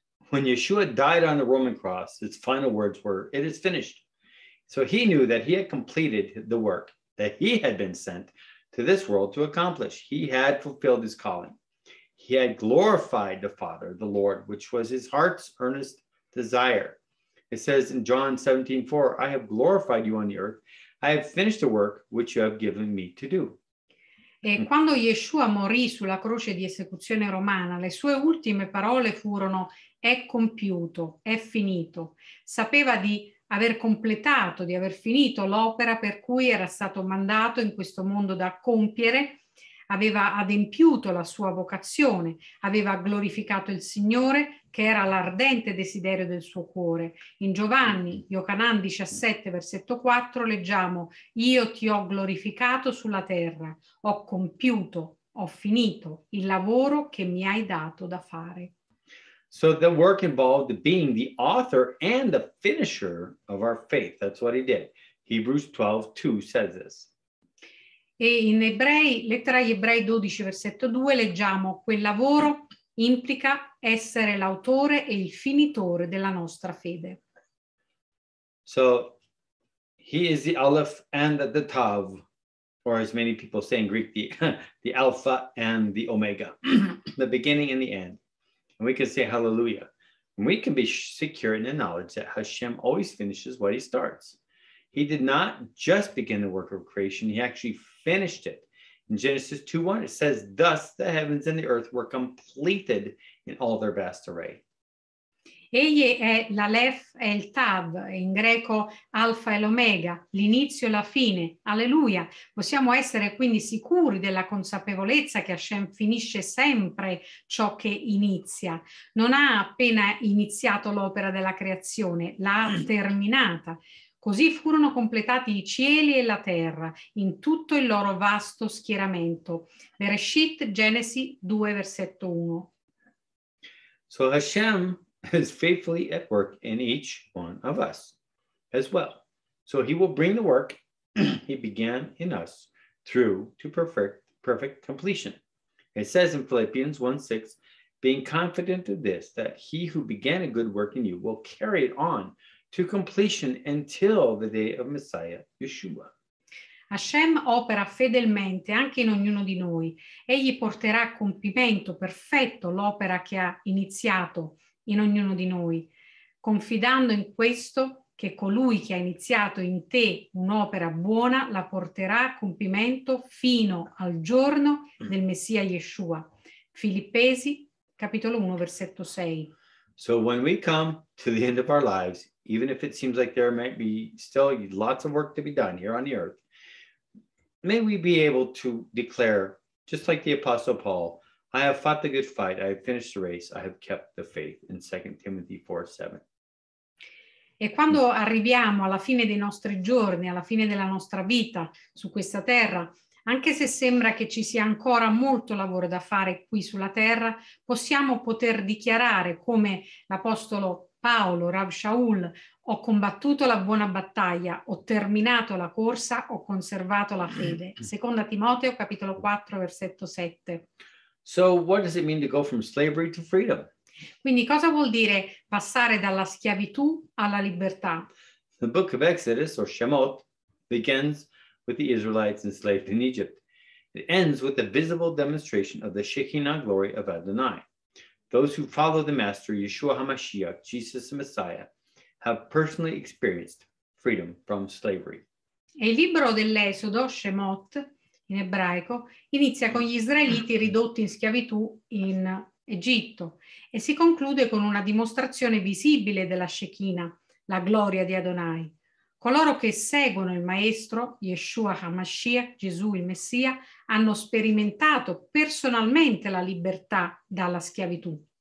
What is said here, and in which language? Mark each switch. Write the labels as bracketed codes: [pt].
[en] When Yeshua died on the Roman cross, his final words were, "It is finished." So he knew that he had completed the work that he had been sent to this world to accomplish. He had fulfilled his calling. He had glorified the Father, the Lord, which was his heart's earnest desire. It says in John 17:4, I have glorified you on the earth. I have finished the work which you have given me to do. [it] E quando Yeshua morì sulla croce di esecuzione romana, le sue ultime parole furono è compiuto, è finito. Sapeva di aver completato, di aver finito l'opera per cui era stato mandato in questo mondo da compiere, aveva adempiuto la sua vocazione, aveva glorificato il Signore, che era l'ardente desiderio del suo cuore. In Giovanni, Yohanan 17, versetto 4, leggiamo, io ti ho glorificato sulla terra, ho compiuto, ho finito il lavoro che mi hai dato da fare. [en] So the work involved being the author and the finisher of our faith. That's what he did. Hebrews 12, 2 says this. [it] E in Ebrei, lettera agli Ebrei 12, versetto 2, leggiamo, quel lavoro implica essere l'autore e il finitore della nostra fede. [en] So he is the Aleph and the Tav, or as many people say in Greek, the Alpha and the Omega, the beginning and the end. And we can say hallelujah. And we can be secure in the knowledge that Hashem always finishes what he starts. He did not just begin the work of creation, he actually finished it. In Genesis 2:1, it says, thus the heavens and the earth were completed in all their vast array. [it] Egli è l'Aleph e il Tav, in greco Alfa e l'Omega, l'inizio e la fine. Alleluia! Possiamo essere quindi sicuri della consapevolezza che Hashem finisce sempre ciò che inizia. Non ha appena iniziato l'opera della creazione, l'ha terminata. Così furono completati i cieli e la terra in tutto il loro vasto schieramento. Bereshit, Genesi 2, versetto 1. [en] So Hashem is faithfully at work in each one of us as well. So he will bring the work he began in us through to perfect completion. It says in Philippians 1:6, being confident of this, that he who began a good work in you will carry it on to completion until the day of Messiah Yeshua. [it] Hashem opera fedelmente anche in ognuno di noi. Egli porterà a compimento perfetto l'opera che ha iniziato in ognuno di noi, confidando in questo che colui che ha iniziato in te un'opera buona la porterà a compimento fino al giorno del Messia Yeshua. Filippesi capitolo 1 versetto 6. [en] So when we come to the end of our lives, even if it seems like there might be still lots of work to be done here on the earth, may we be able to declare, just like the Apostle Paul, I have fought the good fight, I have finished the race, I have kept the faith, in 2 Timothy 4, 7. [it] E quando arriviamo alla fine dei nostri giorni, alla fine della nostra vita su questa terra, anche se sembra che ci sia ancora molto lavoro da fare qui sulla terra, possiamo poter dichiarare come l'Apostolo Paolo, Rav Shaul, ho combattuto la buona battaglia, ho terminato la corsa, ho conservato la fede. 2 Timoteo capitolo 4, versetto 7. [en] So what does it mean to go from slavery to freedom? [it] Quindi cosa vuol dire passare dalla schiavitù alla libertà? [en] The book of Exodus, or Shemot, begins with the Israelites enslaved in Egypt. It ends with a visible demonstration of the Shekinah glory of Adonai. Those who follow the Master, Yeshua HaMashiach, Jesus the Messiah, have personally experienced freedom from slavery. [it] E il libro dell'Esodo, Shemot, in ebraico, inizia con gli Israeliti ridotti in schiavitù in Egitto e si conclude con una dimostrazione visibile della Shekinah, la gloria di Adonai. Coloro che seguono il Maestro, Yeshua HaMashiach, Gesù il Messia, hanno sperimentato personalmente la libertà dalla schiavitù.